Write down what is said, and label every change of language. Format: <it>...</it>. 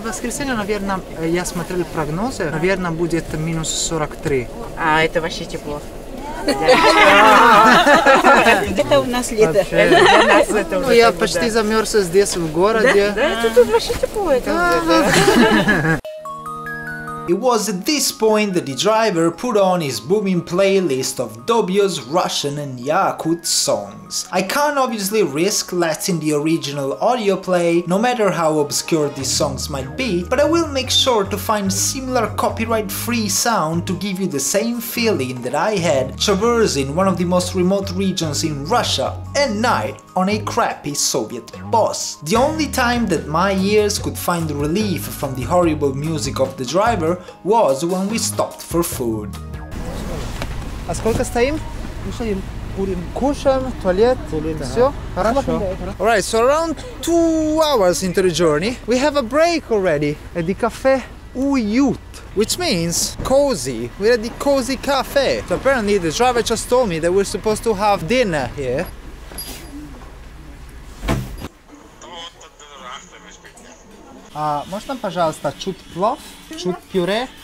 <ru>В воскресенье, наверное, я смотрел прогнозы, наверное, будет минус 43. А это вообще тепло. Это у нас лето. Ну я почти замерз здесь в городе. Да, тут вообще тепло.</ru> <en>It was at this point that the driver put on his booming playlist of dubious Russian and Yakut songs. I can't obviously risk letting the original audio play, no matter how obscure these songs might be, but I will make sure to find similar copyright-free sound to give you the same feeling that I had traversing one of the most remote regions in Russia at night on a crappy Soviet bus. The only time that my ears could find relief from the horrible music of the driver was when we stopped for food.</en> <ru>А сколько стоим? Кушаем. Курим. Кушаем, туалет, курим, все. Да. Хорошо.</ru> <en>Alright, so around 2 hours into the journey, we have a break already at the cafe Uyut, which means cozy. We're at the cozy cafe. So apparently the driver just told me that we're supposed to have dinner here.</en> <ru>А можно, пожалуйста, чуть плов, чуть пюре?</ru>